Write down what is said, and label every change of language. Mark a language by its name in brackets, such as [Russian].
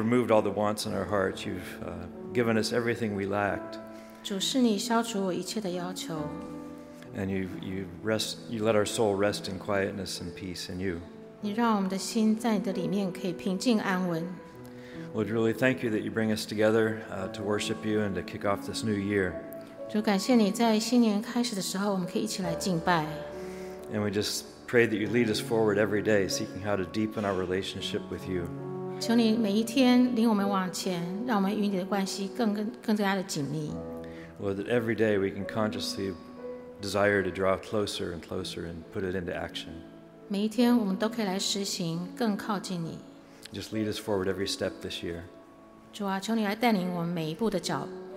[English] All the wants in our hearts, you've given us everything we lacked. [Chinese] 主是你消除我一切的要求。 [English] And you let our soul rest in quietness and peace in you. [Chinese] 你让我们的心在你的里面可以平静安稳。 [English] Lord, really thank you that you bring us together to worship you and to kick off this new year. [Chinese] 主感谢你在新年开始的时候，我们可以一起来敬拜。 [English] And we just pray that you lead us forward every day, seeking how to deepen our relationship with you. [Chinese] 求你每一天领我们往前，让我们与你的关系更加的紧密。 [English] Lord, that every day we can consciously desire to draw closer and closer and put it into action. [Chinese] 每一天我们都可以来实行，更靠近你。 [English] Just lead us forward every step this year. [Chinese] 主啊，求你来带领我们每一步的脚。